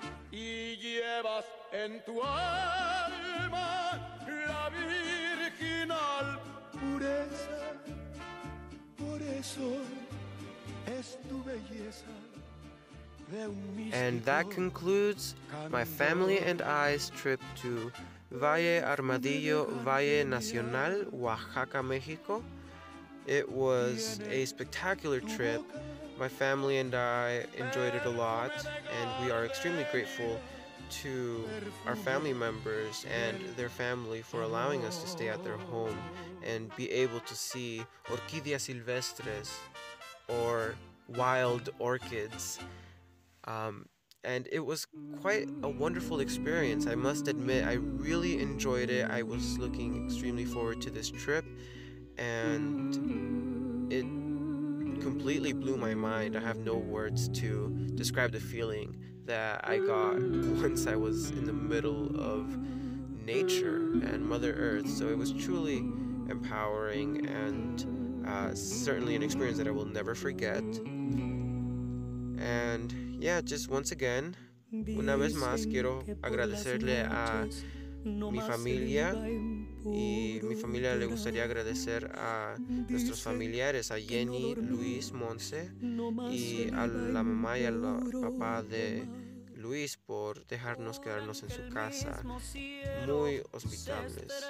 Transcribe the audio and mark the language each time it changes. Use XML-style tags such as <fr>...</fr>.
<es>Y llevas en tu alma la virginal pureza, por eso es tu belleza.</es> <en>And that concludes my family and I's trip to Valle Armadillo, Valle Naccional, Oaxaca, Mexico. It was a spectacular trip. My family and I enjoyed it a lot, and we are extremely grateful to our family members and their family for allowing us to stay at their home and be able to see</en> <es>orquídeas silvestres,</es> <en>or wild orchids. And it was quite a wonderful experience. I must admit, I really enjoyed it. I was looking extremely forward to this trip, and it completely blew my mind. I have no words to describe the feeling that I got once I was in the middle of nature and Mother Earth. So it was truly empowering, and certainly an experience that I will never forget. And yeah, just once again,</en> <es>una vez más, quiero agradecerle a mi familia, y mi familia le gustaría agradecer a nuestros familiares, a Jenny, Luis, Monse, y a la mamá y al papá de Luis por dejarnos quedarnos en su casa, muy hospitales.</es>